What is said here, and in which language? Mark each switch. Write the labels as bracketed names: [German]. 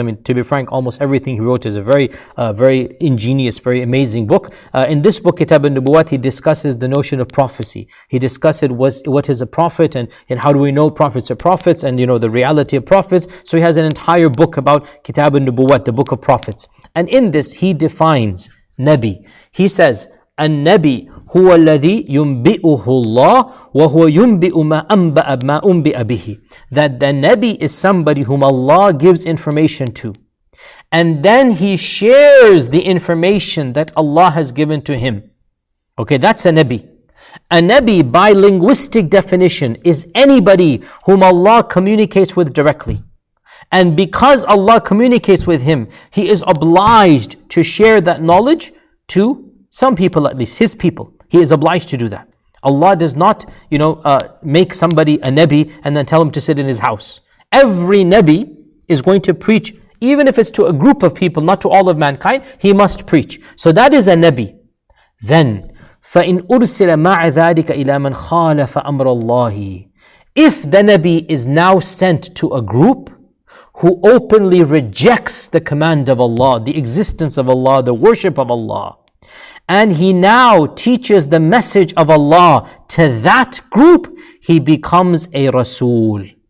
[English] I mean, to be frank, almost everything he wrote is a very, very ingenious, very amazing book. In this book, Kitab al-Nubuwat, he discusses the notion of prophecy. He discusses what is a prophet and how do we know prophets are prophets and, you know, the reality of prophets. So he has an entire book about Kitab al-Nubuwat, the book of prophets. And in this, he defines Nabi. He says, [Arabic] النبي هو الذي ينبئه الله وهو ينبئ ما أنبأ ما أنبئ به. [English] That the Nabi is somebody whom Allah gives information to, and then he shares the information that Allah has given to him. Okay, that's a Nabi. A Nabi, by linguistic definition, is anybody whom Allah communicates with directly. And because Allah communicates with him, he is obliged to share that knowledge to some people, at least his people. He is obliged to do that. Allah does not, make somebody a Nabi and then tell him to sit in his house. Every Nabi is going to preach, even if it's to a group of people, not to all of mankind, he must preach. So that is a Nabi. [Arabic] Then, فَإِنْ أُرْسِلَ مَعَ ذَٰلِكَ إِلَى مَنْ خَالَفَ أَمْرَ اللَّهِ. [English] If the Nabi is now sent to a group who openly rejects the command of Allah, the existence of Allah, the worship of Allah, and he now teaches the message of Allah to that group, he becomes a Rasul.